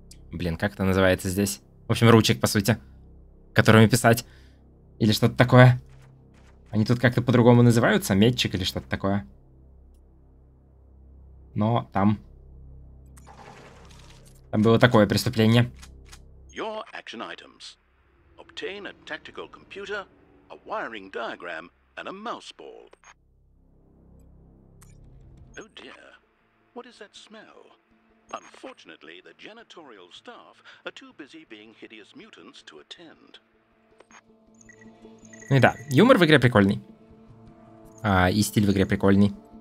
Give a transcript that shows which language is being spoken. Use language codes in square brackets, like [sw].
[ru] Блин, как это называется здесь? В общем, ручек, по сути, которыми писать. Или что-то такое. Они тут как-то по-другому называются, метчик или что-то такое. Но там... Там было такое преступление. [en] Your action items. Obtain a tactical computer, a wiring diagram, and a mouse ball. Oh dear, what is that smell? Unfortunately, the janitorial staff are too busy being hideous mutants to attend. [ru] Ну да, юмор в игре прикольный. И стиль в игре прикольный.